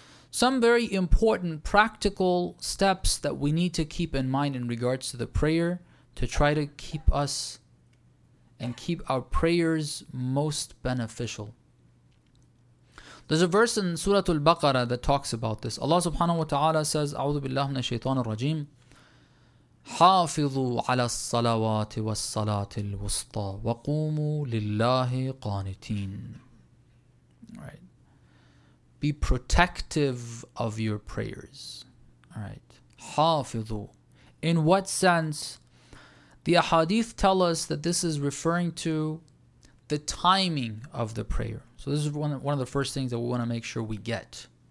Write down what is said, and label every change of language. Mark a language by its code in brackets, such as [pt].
[en] Some very important practical steps that we need to keep in mind in regards to the prayer to try to keep us and keep our prayers most beneficial. There's a verse in Surah Al-Baqarah that talks about this. Allah subhanahu wa ta'ala says, [ar] أعوذ بالله من الشيطان الرجيم حافظوا على الصلوات والصلاة الوسطى وقوموا لله قانتين. [en] Right. Be protective of your prayers. Right. حافظوا. In what sense? The ahadith tell us that this is referring to the timing of the prayer. So this is one of the first things that we want to make sure we get.